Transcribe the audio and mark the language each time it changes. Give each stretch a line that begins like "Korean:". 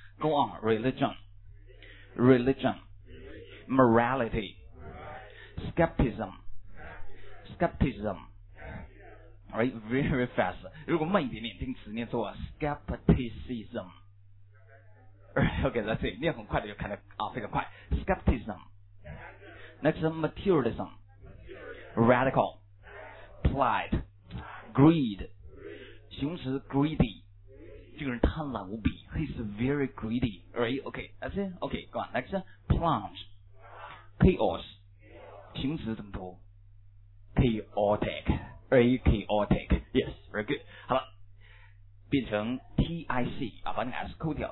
English: Go on, religion, morality, skepticism, right, very fast.
Chinese: 如果慢一点点，听词念做 skepticism.
English: Okay, that's it.
Chinese: 念很快的就看得啊，非常快。
English: Skepticism. Next, materialism, radical, pride, greed.
Chinese: 形容词 greedy. 这个人贪婪无比
English: ，he's very greedy， right？ OK， that's it， OK， go on， next， plunge， chaos，
Chinese: 形容词怎么读？
English: chaotic, very chaotic. Yes, very good.
Chinese: 好了，变成 TIC 啊，把那 S 抠掉。